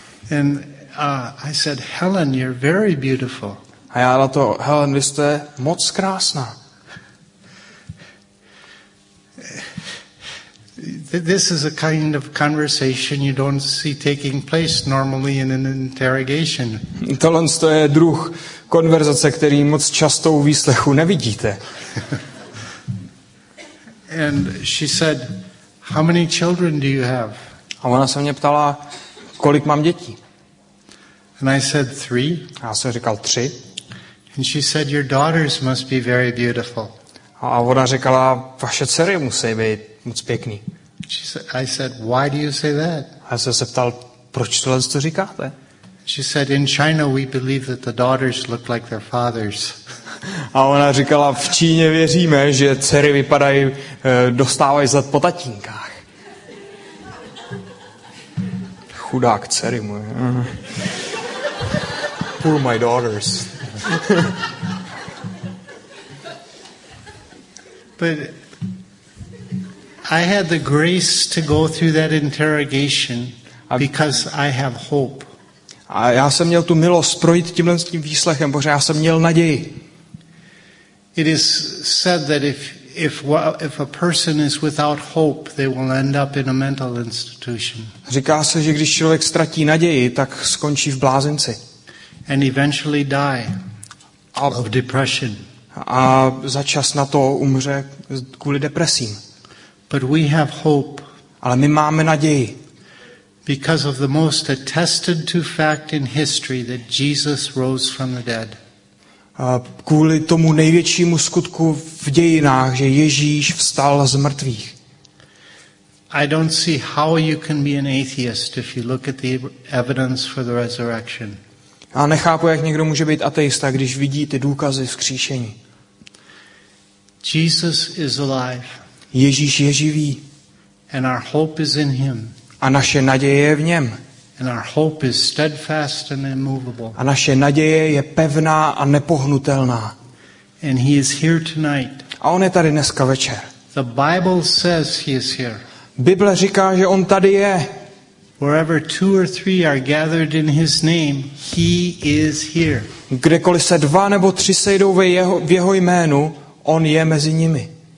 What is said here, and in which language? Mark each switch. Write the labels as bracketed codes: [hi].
[en] And I said, Helen, you're very beautiful. [cs] A já na to, Helen, vy jste moc krásná. [en] This is a kind of conversation you don't see taking place normally in an interrogation. [cs] Tohle je druh konverzace, který moc často u výslechu nevidíte. [en] And she said, how many children do you have? [cs] A ona se mě ptala, kolik mám dětí? [en] And I said, three. [cs] A já jsem říkal, tři. [en] And she said, your daughters must be very beautiful. [cs] A ona říkala, vaše dcery musí být moc pěkný. [en] I said, why do you say that? [cs] A já jsem se ptal, proč tohle to říkáte? [en] She said, in China we believe that the daughters look like their fathers. [cs] A ona říkala, v Číně věříme, že dcery vypadají, dostávají zad po tatínkách. Chudák dcery moje. [en] Poor my daughters. But I had the grace to go through that interrogation because I have hope. [cs] A já jsem měl tu milost projít tímhle s tím výslechem, protože já jsem měl naději. [en] It is said that if a person is without hope, they will end up in a mental institution. [cs] Říká se, že když člověk ztratí naději, tak skončí v blázinci. [en] And eventually die of depression. [cs] A za čas na to umře kvůli depresím. [en] But we have hope. [cs] Ale my máme naději. [en] Because of the most attested to fact in history that Jesus rose from the dead. [cs] Kvůli tomu největšímu skutku v dějinách, že Ježíš vstal z mrtvých. [en] I don't see how you can be an atheist if you look at the evidence for the resurrection. [cs] A nechápu, jak někdo může být ateista, když vidí ty důkazy vzkříšení. [en] Jesus is alive. [cs] Ježíš je živý. [en] And our hope is in him. [cs] A naše naděje je v něm. [en] And our hope is steadfast and immovable. [cs] A naše naděje je pevná a nepohnutelná. [en] And he is here tonight. [cs] A on je tady dneska večer. [en] The Bible says he is here. [cs] Bible říká, že on tady je. [en] Wherever two or three are gathered in his name, he is here. [cs] Kdekoliv se dva nebo tři sejdou v jeho jménu, on je mezi nimi.